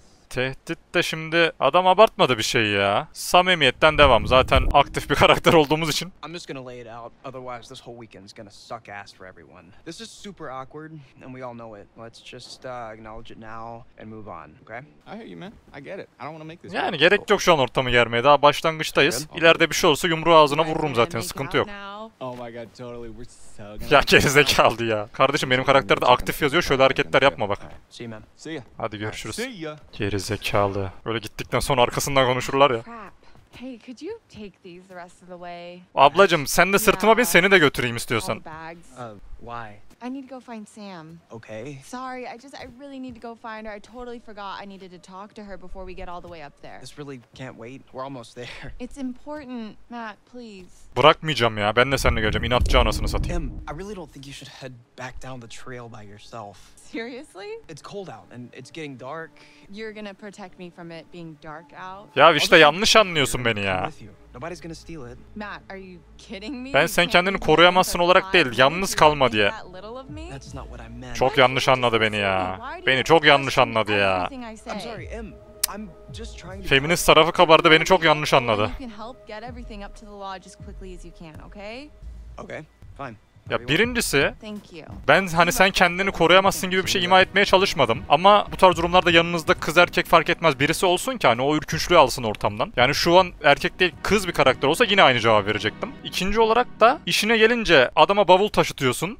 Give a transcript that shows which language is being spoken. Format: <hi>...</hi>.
<tr>Tehdit de şimdi, adam abartmadı bir şey ya. Samimiyetten devam, zaten aktif bir karakter olduğumuz için.</tr> <en>I'm just gonna lay it out, otherwise this whole weekend's gonna suck ass for everyone. This is super awkward, and we all know it. Let's just acknowledge it now and move on, okay? I hear you man, I get it. I don't wanna make this.</en> <tr>Yani gerek yok şu an ortamı germeye, daha başlangıçtayız. İleride bir şey olursa yumruğu ağzına vururum zaten, sıkıntı yok.</tr> <en>Oh my god, totally, we're so gonna...</en> <tr>Ya gerizekalı ya. Kardeşim benim karakterde aktif yazıyor, şöyle hareketler yapma bak.</tr> <en>See man. See ya.</en> <tr>Hadi görüşürüz.</tr> <en>See ya.</en> <tr>Gerizekalı. Böyle gittikten sonra arkasından konuşurlar ya.</tr> <en>Hey, could you take these the rest of the way?</en> <tr>Ablacım, sen de sırtıma bin, seni de götüreyim istiyorsan.</tr> <en>Why? I need to go find Sam. Okay. Sorry, I really need to go find her. I totally forgot I needed to talk to her before we get all the way up there. This really can't wait. We're almost there. It's important, Matt, please.</en> <tr>Bırakmayacağım ya. Ben de seninle geleceğim. İnatçı anasını satayım.</tr> <en>I really don't think you should head back down the trail by yourself. Seriously? It's cold out and it's getting dark. You're gonna protect me from it being dark out?</en> <tr>Ya işte yanlış anlıyorsun beni ya.</tr> <en>Nobody's gonna steal it. Matt, are you kidding me?</en> <tr>Ben sen kendini koruyamazsın olarak değil, yalnız kalma diye.</tr> <en>That's not what I meant.</en> <tr>Çok yanlış anladı beni ya. Beni çok yanlış anladı ya.</tr> <en>I'm sorry, Em. I'm just trying to...</en> <tr>Feminist tarafı kabardı, beni çok yanlış anladı.</tr> <en>You can help get everything up to the lodge as quickly as you can, okay? Okay, fine.</en> <tr>Ya birincisi, ben hani sen kendini koruyamazsın gibi bir şey ima etmeye çalışmadım. Ama bu tarz durumlarda yanınızda kız erkek fark etmez birisi olsun ki hani o ürkünçlüğü alsın ortamdan. Yani şu an erkek değil kız bir karakter olsa yine aynı cevabı verecektim. İkinci olarak da işine gelince adama bavul taşıtıyorsun.</tr>